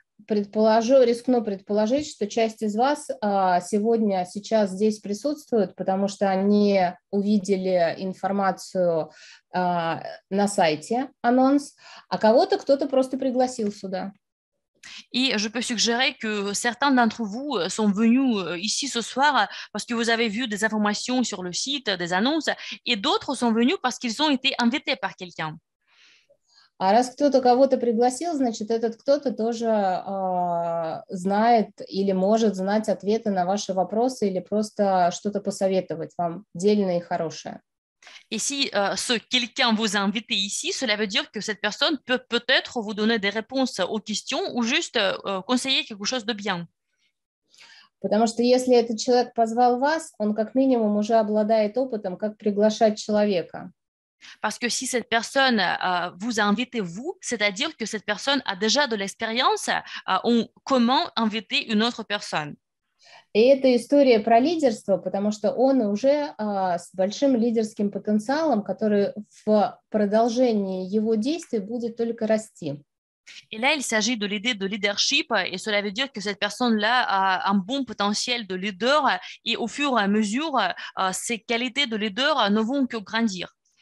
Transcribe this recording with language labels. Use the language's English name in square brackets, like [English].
[Russian] Я рискну предположить, что часть из вас сегодня сейчас здесь присутствует, потому что они увидели информацию на сайте, анонс, а кого-то кто-то просто пригласил сюда. [French] Et je peux suggérer que certains d'entre vous sont venus ici ce soir parce que vous avez vu des informations sur le site, des annonces, et d'autres sont venus parce qu'ils ont été invités par quelqu'un. [Russian] А раз кто-то кого-то пригласил, значит, этот кто-то тоже знает или может знать ответы на ваши вопросы или просто что-то посоветовать вам дельное и хорошее. [French] Et si ce quelqu'un vous a invité ici, cela veut dire que cette personne peut peut-être vous donner des réponses aux questions ou juste conseiller quelque chose de bien. [Russian] Потому что если этот человек позвал вас, он как минимум уже обладает опытом, как приглашать человека. [French] Parce que si cette personne vous a invité vous, c'est-à-dire que cette personne a déjà de l'expérience en comment inviter une autre personne. [Russian] И это история про лидерство, потому что он уже с большим лидерским потенциалом, который в продолжении его действий будет только расти. [French] И là, il s'agit de l'idée de leadership, et cela veut dire que cette personne-là a un bon potentiel de leader, et au fur et à mesure, ses qualités de leader ne vont que grandir.